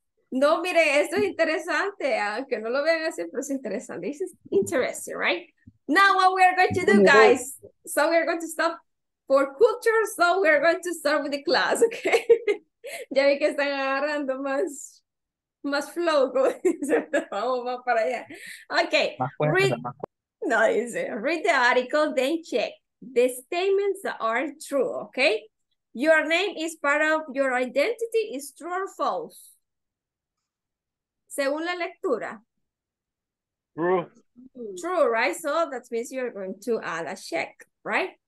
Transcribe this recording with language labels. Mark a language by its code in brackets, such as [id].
[es] No, mire, esto es interesante, aunque no lo vean así, pero es interesante. [en] This is interesting, right? Now what we are going to do, guys. So we are going to stop for culture, so we are going to start with the class, okay? [es] Ya vi que están agarrando más flow, como dice, vamos para allá. [en] Okay, read the article, then check. The statements are true, okay? Your name is part of your identity, is true or false? [es] Según la lectura. [en] True. True, right? So that means you're going to add a check, right?